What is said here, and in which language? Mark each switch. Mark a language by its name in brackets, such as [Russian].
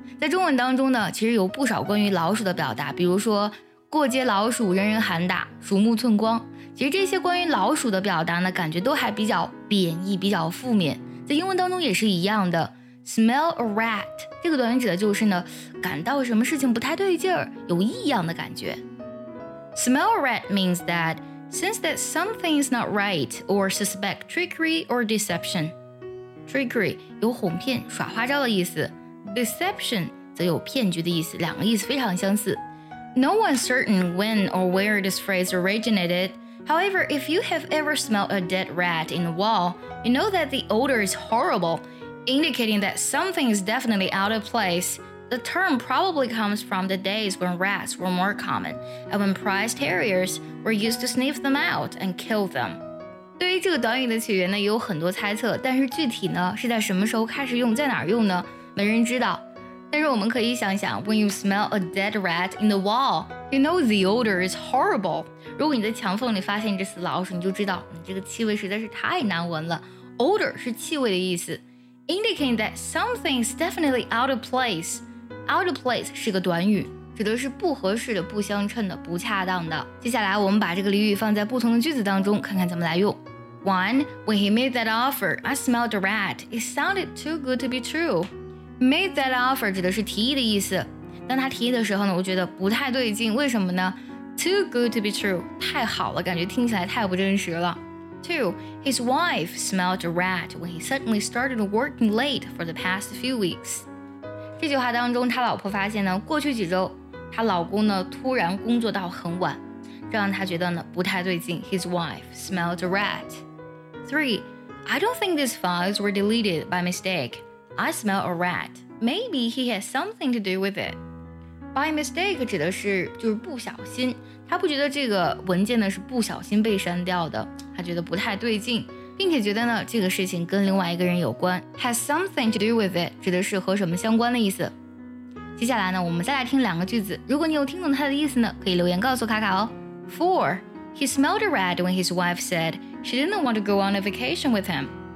[Chinese] 在中文当中呢，其实有不少关于老鼠的表达，比如说过街老鼠人人喊打，鼠目寸光。其实这些关于老鼠的表达呢，感觉都还比较贬义，比较负面。在英文当中也是一样的 ，smell a rat 这个短语指的就是呢，感到什么事情不太对劲儿，有异样的感觉。 [English] Smell a rat means that sense that something is not right or suspect trickery or deception. [Chinese] Trickery 有哄骗、耍花招的意思， deception 则有骗局的意思，两个意思非常相似。 [English] No one's certain when or where this phrase originated. However, if you have ever smelled a dead rat in the wall, you know that the odor is horrible, indicating that something is definitely out of place. The term probably comes from the days when rats were more common and when prized terriers were used to sniff them out and kill them. [Chinese] 对于这个短语的起源呢，也有很多猜测，但是具体呢，是在什么时候开始用，在哪儿用呢？没人知道。但是我们可以想想 [English] ，When you smell a dead rat in the wall, you know the odor is horrible. [Chinese] 如果你在墙缝里发现这只老鼠，你就知道这个气味实在是太难闻了。 Odor 是气味的意思。 [English] Indicating that something is definitely out of place. [Chinese] Out of place 是个短语，指的是不合适的、不相称的、不恰当的。接下来我们把这个俚语放在不同的句子当中，看看怎么来用。 [English] One, when he made that offer, I smelled a rat. It sounded too good to be true. Made that offer [Chinese] 指的是提议的意思。当他提议的时候呢，我觉得不太对劲，为什么呢？ [English] Too good to be true， [Chinese] 太好了，感觉听起来太不真实了。 [English] Two, his wife smelled a rat when he suddenly started working late for the past few weeks. [Chinese] 这句话当中，他老婆发现呢，过去几周，他老公呢突然工作到很晚，这让他觉得呢不太对劲。 [English] His wife smelled a rat. Three, I don't think these files were deleted by mistake. I smell a rat. Maybe he has something to do with it. [Chinese] By mistake 指的是就是不小心，他不觉得这个文件呢是不小心被删掉的。他觉得不太对劲，并且觉得呢这个事情跟另外一个人有关。 [English] Has something to do with it [Chinese] 指的是和什么相关的意思。接下来呢，我们再来听两个句子。如果你有听懂他的意思呢，可以留言告诉卡卡哦。 [English] Four, he smelled a rat when his wife said she didn't want to go on a vacation with him.